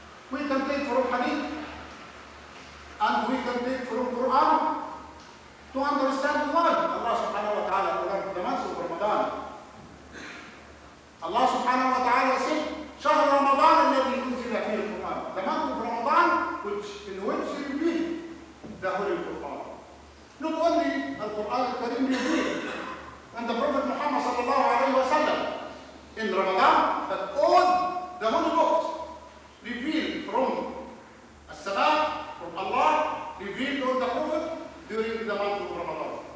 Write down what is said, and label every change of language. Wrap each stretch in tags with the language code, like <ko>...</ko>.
<en>We can take from Hadith and we can take from Quran to understand why Allah subhanahu wa ta'ala ordered the month of Ramadan. Allah subhanahu wa ta'ala said,</en> <ar>شهر رمضان الذي أنزل فيه القرآن.</ar> <en>The month of Ramadan, which in which revealed the Holy Quran. Not only the Quran al-Karim revealed, and the Prophet Muhammad sallallahu alayhi wa sallam in Ramadan, that all the holy books revealed from As-Salaam, from Allah, revealed on the Prophet during the month of Ramadan.</en>